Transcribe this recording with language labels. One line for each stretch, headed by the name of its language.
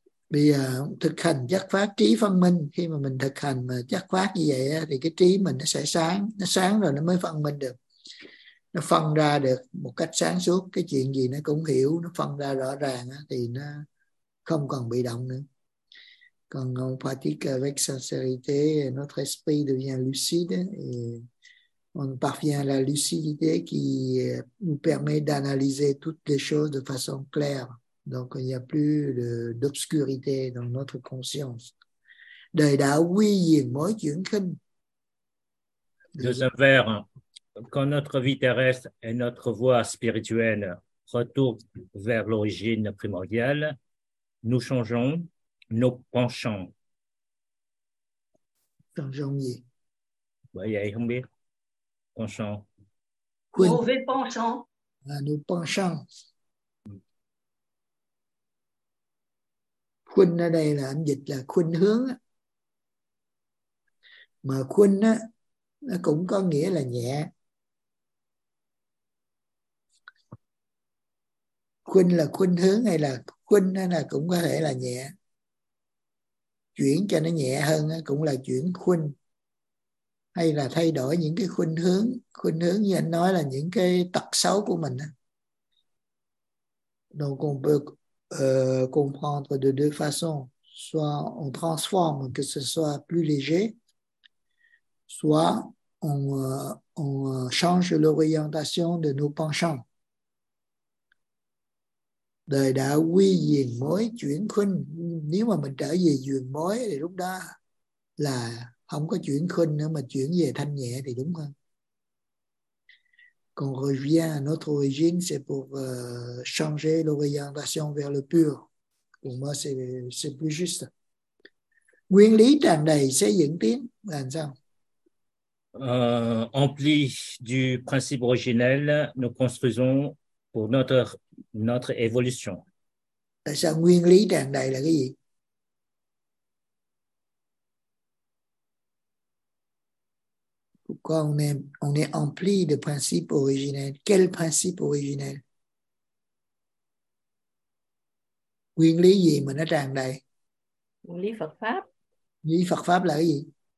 Vietnamese: Bây giờ thực hành giác phát trí phân minh. Khi mà mình thực hành mà giác phát như vậy thì cái trí mình nó sẽ sáng. Nó sáng rồi nó mới phân minh được. Nó phân ra được một cách sáng suốt. Cái chuyện gì nó cũng hiểu. Nó phân ra rõ ràng thì nó không còn bị động nữa.
French: Quand on pratique avec sincérité, notre esprit devient lucide et on parvient à la lucidité qui nous permet d'analyser toutes les choses de façon claire. Donc, il n'y a plus d'obscurité dans notre conscience.
Vietnamese: Đời đạo quy diện mỗi chuyển khinh.
French: Deuxième vers. Quand notre vie terrestre et notre voie spirituelle retournent vers l'origine primordiale, nous changeons nos penchants.
Vietnamese: Penchant gì? Vậy vậy không biết. Penchant.
French: Mauvais penchant. À, nos penchants.
Vietnamese: Khuynh ở đây là anh dịch là khuynh hướng. Mà khuynh á, nó cũng có nghĩa là nhẹ. Khuynh là khuynh hướng hay là khuynh là cũng có thể là nhẹ. Chuyển cho nó nhẹ hơn cũng là chuyển khuynh. Hay là thay đổi những cái khuynh hướng. Khuynh hướng như anh nói là những cái tật xấu của mình.
French: Donc on peut comprendre de deux façons. Soit on transforme que ce soit plus léger. Soit on change l'orientation de nos penchants.
Vietnamese: Đời đã quy diện mới, chuyển khuynh. Nếu mà mình trở về duyên mới thì lúc đó là không có chuyển khuynh nữa, mà chuyển về thanh nhẹ thì đúng hơn.
French: Quand on revient à notre origine, c'est pour changer l'orientation vers le pur. Pour moi, c'est plus juste.
Vietnamese: Nguyên lý tràn đầy xây dựng tiến là sao?
French: Empli du principe originel, nous construisons pour notre évolution.
Vietnamese: Tại sao nguyên lý tràn đầy là cái gì?
French: Pourquoi on est empli de principes originels? Quel principe originel?
Vietnamese: Nguyên lý gì mà nó tràn đầy? Nguyên lý Phật Pháp. Nguyên lý Phật Pháp là cái gì?